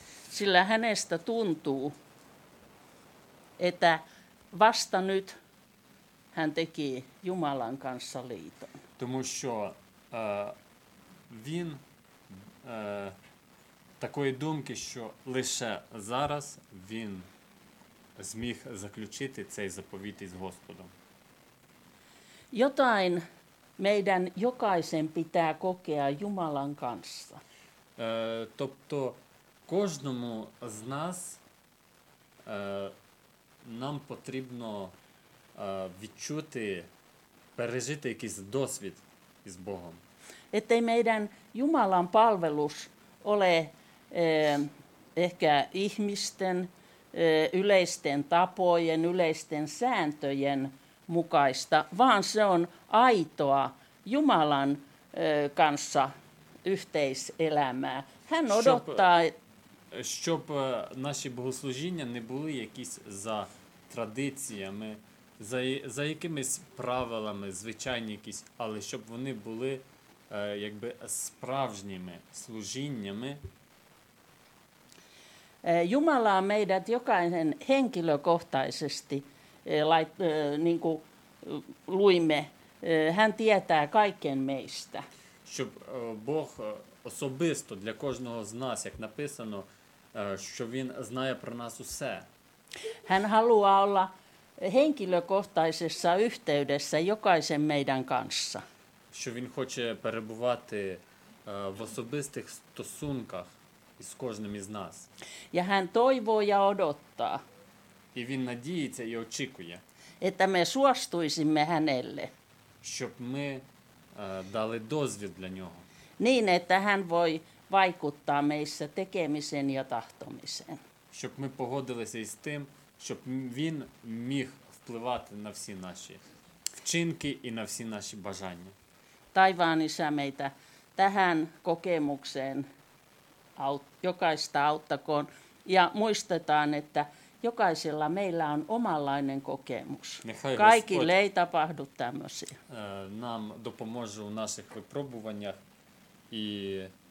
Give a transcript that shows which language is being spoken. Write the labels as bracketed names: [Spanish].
[Finnish] Sillä hänestä tuntuu, että vasta nyt hän teki Jumalan kanssa liiton. [Ukrainian] Тому що він такої думки, що лише зараз він зміг заключити цей заповіт із Господом. [Finnish] Jotain meidän jokaisen pitää kokea Jumalan kanssa. [Ukrainian] Тобто кожному з нас нам потрібно відчути, пережити якийсь досвід із Богом. [Finnish] Ettei meidän Jumalan palvelus ole ehkä ihmisten yleisten tapojen, yleisten sääntöjen mukaista, vaan se on aitoa Jumalan kanssa yhteiselämää. Hän odottaa, [Ukrainian] щоб наші богослужіння не були якісь за традиціями, за якимись правилами, звичайні якісь, але щоб вони були якби справжніми служіннями. [Finnish] Jumala on meidät jokaisen henkilökohtaisesti, niin kuin luimme, hän tietää kaiken meistä. [Ukrainian] Щоб Бог особисто для кожного з нас, як написано, що він знає про нас усе. [Finnish] Hän haluaa olla henkilökohtaisessa yhteydessä jokaisen meidän kanssa. [Ukrainian] Що він хоче перебувати в особистих стосунках з кожним із нас. [Finnish] Ja hän toivoo ja odottaa. [Ukrainian] І він надіється і очікує. [Finnish] Että me suostuisimme hänelle. [Ukrainian] Щоб ми дали дозвіл для нього. [Finnish] Niin, että hän voi vaikuttaa meissä tekemisen ja tahtomisen. [Ukrainian] Щоб ми погодилися із тим, щоб він міг впливати на всі наші вчинки і на всі наші бажання. [Finnish] Taivaan Isä, meitä tähän kokemukseen jokaista auttakoon. Ja muistetaan, että jokaisella meillä on omanlainen kokemus. Nehai kaikille Господь ei tapahdu tämmöisiä. [Ukrainian] Нам допоможе у наших випробуваннях і